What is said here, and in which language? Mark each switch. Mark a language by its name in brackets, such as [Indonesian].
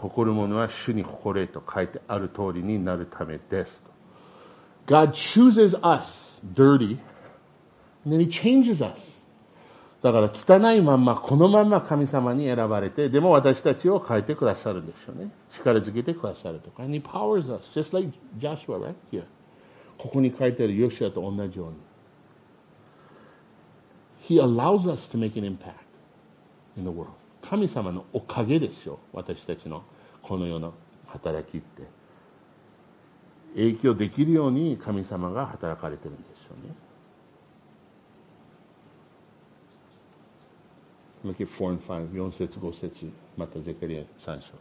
[Japanese] 誇る者は主に誇れと書いてある通りになるためですと。 [English] God chooses us dirty. And he changes us. [Japanese] だから汚いまんま、このまま神様に選ばれて、でも私たちを変えてくださるんでしょうね。力づけてくださるとか。 [English] And he powers us, just like Joshua, right? Here. [Japanese] ここに書いてあるヨシアと同じように。 [English] He allows us to make an impact in the world. [Japanese] 神様のおかげですよ、私たちのこの世の働きって。影響できるように神様が働かれてるんですよね。 [English] Look at 4 and 5. [Japanese] 4節5節またゼカリア3章。